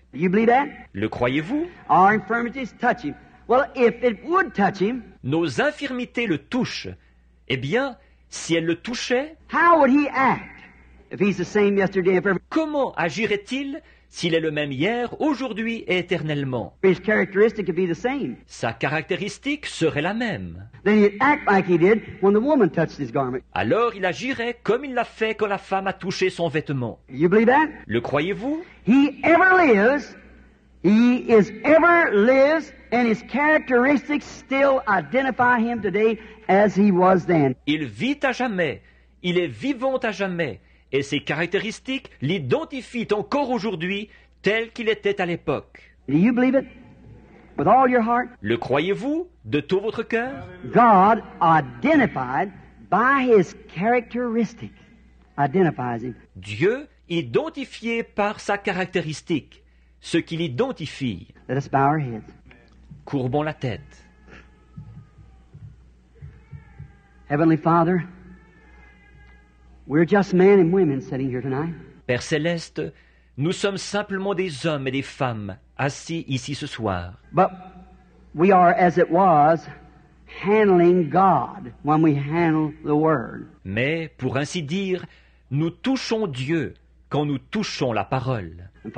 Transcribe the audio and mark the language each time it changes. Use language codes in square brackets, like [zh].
[en] You believe that? [fr] Le croyez-vous? [en] Our infirmities touch him. Well, if it would touch him, [fr] nos infirmités le touchent. Eh bien, si elles le touchaient, [en] how would he act if he's the same yesterday and forever? [fr] Comment agirait-il s'il est le même hier, aujourd'hui et éternellement? [en] His characteristic would be the same. [fr] Sa caractéristique serait la même. [en] Then he'd act like he did when the woman touched his garment. [fr] Alors il agirait comme il l'a fait quand la femme a touché son vêtement. [en] You believe that? [fr] Le croyez-vous? [en] He ever lives. He is ever lives, and his characteristics still identify him today as he was then. [fr] Il vit à jamais. Il est vivant à jamais. Et ses caractéristiques l'identifient encore aujourd'hui tel qu'il était à l'époque. [en] Do you believe it? With all your heart? [fr] Le croyez-vous de tout votre cœur? [en] God identified by his characteristic identifies him. [fr] Dieu identifié par sa caractéristique. Ce qui l'identifie. [en] Let us bow our heads. [fr] Courbons la tête. [en] Heavenly Father, we're just men and women sitting here tonight. [fr] Père céleste, nous sommes simplement des hommes et des femmes assis ici ce soir. [en] But we are, as it was, handling God when we handle the Word. [fr] Mais pour ainsi dire, nous touchons Dieu quand nous touchons la parole.